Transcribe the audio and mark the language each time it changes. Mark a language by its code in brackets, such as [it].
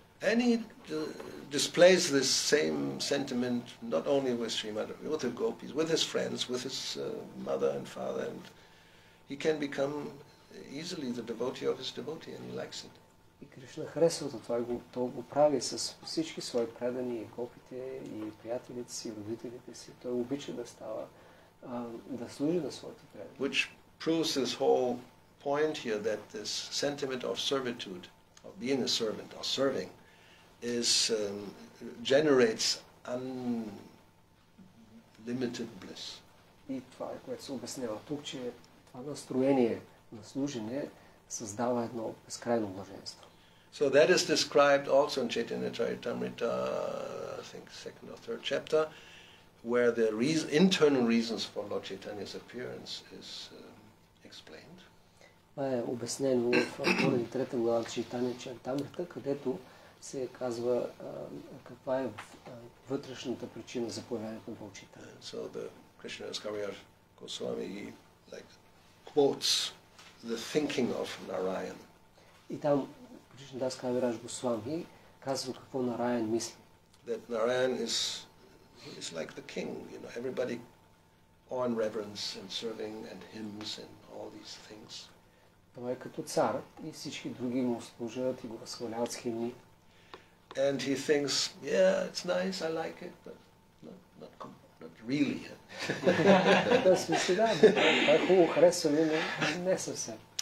[en] And he displays this same sentiment not only with Srimadhavi, with the gopis, with his friends, with his mother and father, and he can become easily the devotee of his devotee and he likes it. [bg] И Кришна харесва това, той го прави с всички свои предани, и гопите, и приятелите си, и родителите си. Той обича да става, да служи на своите предани. [en] Which proves this whole point here that this sentiment of servitude, of being a servant, or serving, is generates unlimited bliss. [bg] И това е, което се обяснява тук, че това настроение на служене създава едно безкрайно блаженство. [en] So that is described also in Chaitanya Charitamrita, I think second or third chapter, where the internal reasons for Lord Chaitanya's appearance is explained. [bg] Това е обяснено в втората трета глава на Чайтанья Чаритамрита, където се казва каква е вътрешната причина за появяването на Чайтанья. [en] So the Krishna Kaviraj Goswami like quotes the thinking of Narayan. [bg] И там Кришна Дас Кавираш Госвами казва какво Нараян мисли. [en] That Narayan is like the king, you know, everybody on reverence and serving and hymns and all these things. [bg] Това е като цар и всички други му служат и го възхваляват с химни. [en] And he thinks, yeah, it's nice, I like it, but not really. [bg] Да, смисли, да, това е хубаво, харесва ми, но не съвсем.